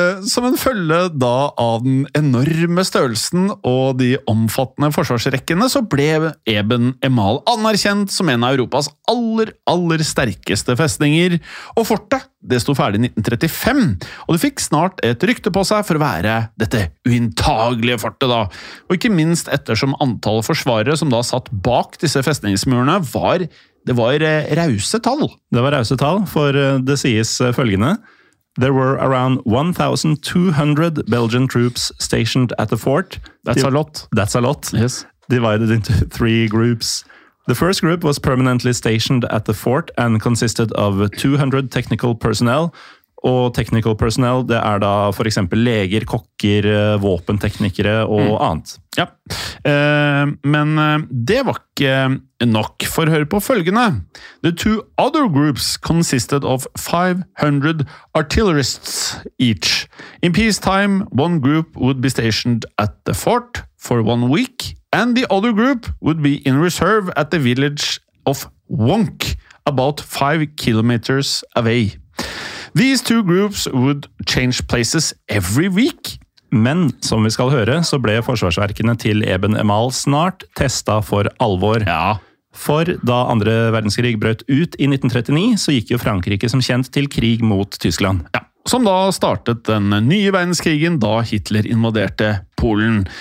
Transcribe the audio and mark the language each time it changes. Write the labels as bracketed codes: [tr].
[no] Som en følge da av den enorme størrelsen og de omfattende forsvarsrekkene, så ble Eben-Emal anerkjent som en av Europas aller, aller sterkeste festninger. Og fortet, det sto ferdig i 1935, og det fikk snart et rykte på seg for å være dette uinntagelige fortet da. Og ikke minst ettersom antall forsvarere som da satt bak disse festningsmurene var... Det var rause tall. Det var rause tall, for det sies følgende. [en] There were around 1,200 Belgian troops stationed at the fort. That's a lot. Yes. Divided into three groups. The first group was permanently stationed at the fort and consisted of 200 technical personnel. [no] Og [en] technical personnel, [no] det er da for eksempel leger, kokker, våpenteknikere og annet. Ja, men det var ikke nok for å høre på følgende. [en] The two other groups consisted of 500 artillerists each. In peacetime, one group would be stationed at the fort for 1 week, and the other group would be in reserve at the village of Wonk, about 5 kilometers away. These two groups would change places every week. [no] Men, som vi skal høre, så ble forsvarsverkene til Eben-Emal snart testet for alvor. Ja. For da 2. verdenskrig brøt ut i 1939, så gikk jo Frankrike som kjent til krig mot Tyskland. Ja. Som da startet den nye verdenskrigen da Hitler invaderte Polen.